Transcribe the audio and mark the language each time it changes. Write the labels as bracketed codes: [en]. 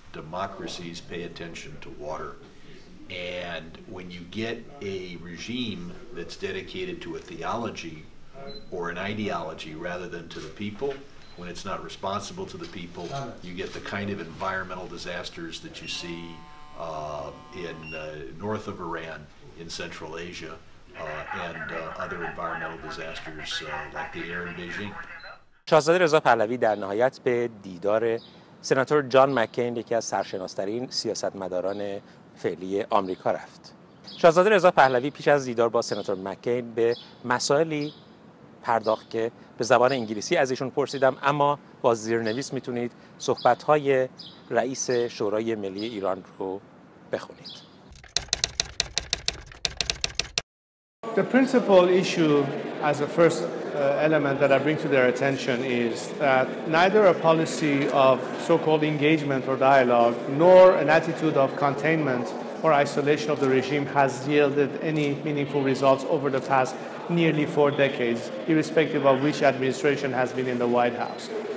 [en] Democracies pay attention to water. And when you get a regime that's dedicated to a theology or an ideology rather than to the people, when it's not responsible to the people, you get the kind of environmental disasters that you see in north of Iran, in Central Asia, and other environmental disasters like the air in Beijing. [fa] شاهزاده رضا پهلوی در نهایت به دیدار سناتور جان مکین، یکی از سرشناس‌ترین سیاستمداران فعلی آمریکا رفت. شاهزاده رضا پهلوی پیش از دیدار با سناتور مکین به مسائلی پرداخت که به زبان انگلیسی از ایشون پرسیدم، اما با زیرنویس میتونید صحبت‌های رئیس شورای ملی ایران رو بخونید. [en] The principal issue as a first element that I bring to their attention is that neither a policy of so-called engagement or dialogue nor an attitude of containment or isolation of the regime has yielded any meaningful results over the past nearly four decades, irrespective of which administration has been in the White House.